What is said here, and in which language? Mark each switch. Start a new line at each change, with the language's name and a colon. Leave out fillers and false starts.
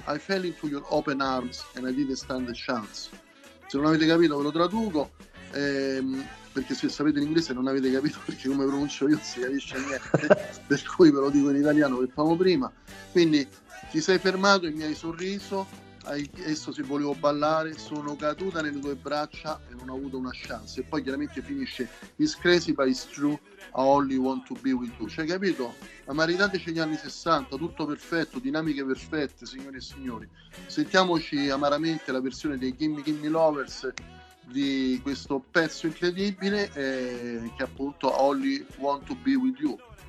English: I fell into your open arms and I didn't stand a chance."
Italian: Se non avete capito, ve lo traduco. Perché se sapete l'inglese non avete capito, perché come pronuncio io non si capisce niente, per cui ve lo dico in italiano che famo prima. Quindi ti sei fermato e mi hai sorriso, hai chiesto se volevo ballare, sono caduta nelle tue braccia e non ho avuto una chance. E poi chiaramente finisce:
English: "It's crazy but it's true, I only want to be with you."
Italian: C'hai capito? Amaritateci gli anni 60, tutto perfetto, dinamiche perfette, signore e signori. Sentiamoci amaramente la versione dei Gimme Gimme Lovers di questo pezzo incredibile, che appunto
English: "I only want to be with you".